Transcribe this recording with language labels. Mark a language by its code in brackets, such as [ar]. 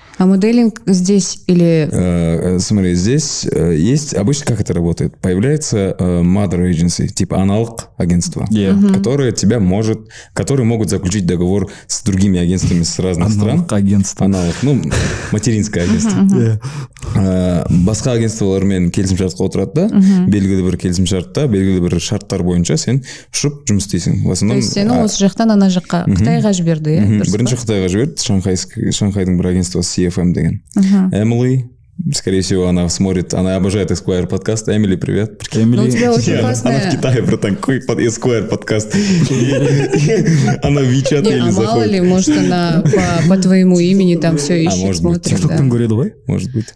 [ru] А моделинг здесь или... Смотри, здесь есть, обычно как это работает, появляется [en] mother agency, [ru] типа аналог агентства, которое тебя может, которые могут заключить договор с другими агентствами с разных стран. Аналог агентство. Аналог, ну, материнское агентство. [kk] Басқа агентстволар мен келісімшартқа отырады да, белгілі бір келісімшартта, белгілі бір шарттар бойынша сен ұшып жұмыс істейсің. То есть сені осы жақтан ана жаққа, Қытайға жіберді, иә? Бірінші Қытайға жіберді, Шанхайдың бір агентствосы CFM деген. [ru] Эмили. Скорее всего, она смотрит, она обожает Esquire подкаст. Эмили, привет. Эмили, ну, у тебя очень классная... Она в Китае, братан, какой Esquire подкаст? Она в WeChat или заходит. А мало ли, может, она по твоему имени там все ищет, смотрит. А может быть. Кто-то там говорит, давай? Может быть.